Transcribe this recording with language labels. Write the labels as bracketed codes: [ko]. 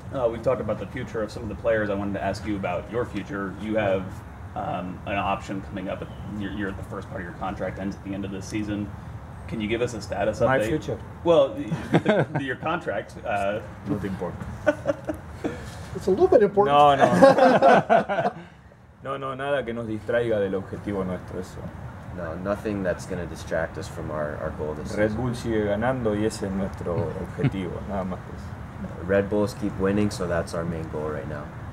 [en] We've talked about the future of some of the players. I wanted to ask you about your future. You have an option coming up. You're at the first part of your contract, ends at the end of this season. Can you give us a status update? My future. Well, your contract. Not important. It's a little bit important. No. [es] No, nada que nos distraiga del objetivo nuestro, eso. [en] No, nothing that's going to distract us from our goal this season. [es] Red Bull sigue ganando y ese es nuestro objetivo, nada más que eso. [en] Red Bulls keep winning, so that's our main goal right now.